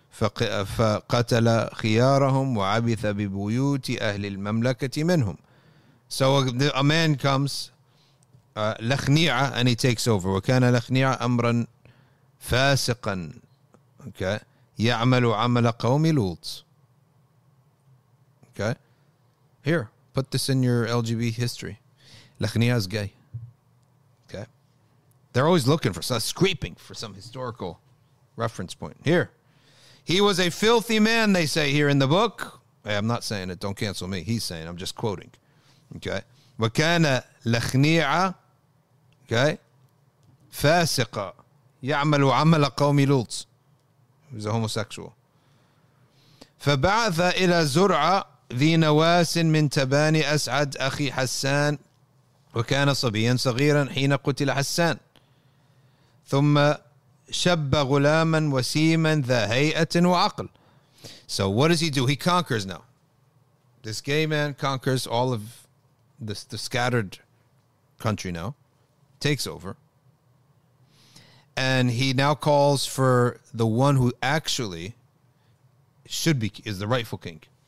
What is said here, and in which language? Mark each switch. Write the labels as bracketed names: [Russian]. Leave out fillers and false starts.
[Arabic] فقتل خيارهم وعبث ببيوت أهل المملكة منهم. [English] So a man comes, لخنيعة, and he takes over. [Arabic] وكان لخنيعة أمرا فاسقا. Okay. يعمل عمل قوم لوط. Okay. [English] Here, put this in your LGBT history. لخنيعة is gay. Okay. They're always looking for some, scraping for some historical reference point. Here. He was a filthy man, they say here in the book. Hey, I'm not saying it. Don't cancel me. He's saying it. I'm just quoting. Okay. [Arabic] وَكَانَ لَخْنِيعَ. [English] Okay. [Arabic] فَاسِقَ يَعْمَلُ عَمَلَ قَوْمِ لُوطٍ. [English] He was a homosexual. [Arabic] فَبَعَثَ إِلَى زُرْعَ ذِي نَوَاسٍ مِنْ تَبَانِ أَسْعَدْ أَخِي حَسَّانِ وَكَانَ صَبِيًا صَغِيرًا حِينَ قُتِلَ حَسَّانِ ثُمَّ شب غلاما وسيما ذا هيئة وعقل. [English] So what does he do? He conquers now. This gay man conquers all of the scattered country now. Takes over. And he now calls for the one who actually should be, is the rightful king.